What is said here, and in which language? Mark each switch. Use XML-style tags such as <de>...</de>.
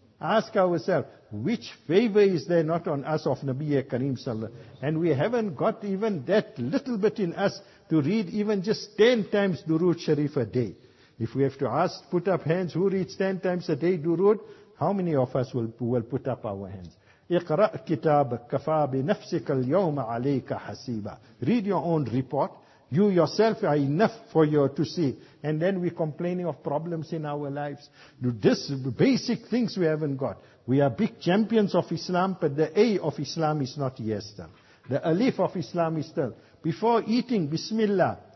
<en>Ask ourselves, which favor is there not on us of Nabi Kareem Sallallahu Alaihi Wasallam? And we haven't got even that little bit in us to read even just 10 times durood Sharif a day. If we have to ask, put up hands, who reads 10 times a day durood? How many of us will put up our hands?</en> <ar>اقرأ كتاب كفى بنفسك اليوم عليك حسيبا.</ar> <en>Read your own report. You yourself are enough for you to see. And then we're complaining of problems in our lives. This basic things we haven't got. We are big champions of Islam, but the A of Islam is not yester. The Alif of Islam is still. Before eating, Bismillah.</en>